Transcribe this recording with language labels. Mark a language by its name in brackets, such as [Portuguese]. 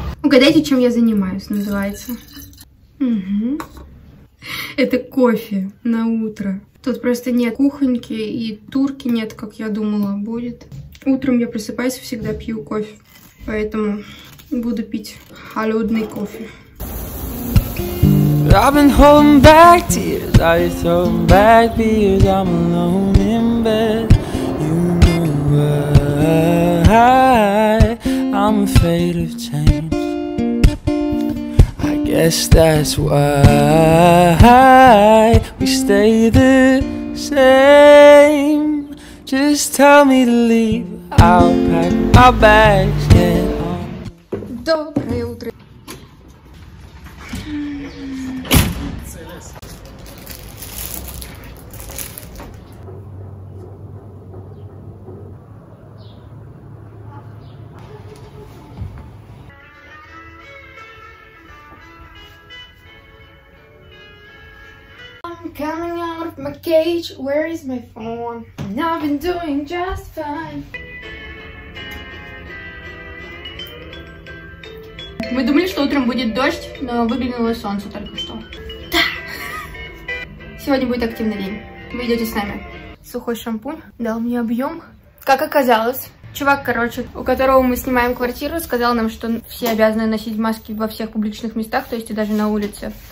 [Russian] Угадайте, чем я занимаюсь, называется. Угу. Это кофе на утро. Тут просто нет кухоньки и турки нет, как я думала, будет. Утром я просыпаюсь, всегда пью кофе. Поэтому буду пить холодный кофе. [English] I've been holding back tears, I've been throwing back beers, I'm alone in bed, you know why, I'm afraid of change, I guess that's why we stay the same, just tell me to leave, I'll pack my bags, yeah. [Russian] Доброе утро. [English] I'm coming out of my cage. Where is my phone? And I've been doing just fine. [Russian] Мы думали, что утром будет дождь, но выглянуло солнце только что. Да! Сегодня будет активный день. Вы идете с нами. Сухой шампунь дал мне объем. Как оказалось, Чувак, короче, у которого мы снимаем квартиру, сказал нам, что все обязаны носить маски во всех публичных местах, то есть и даже на улице.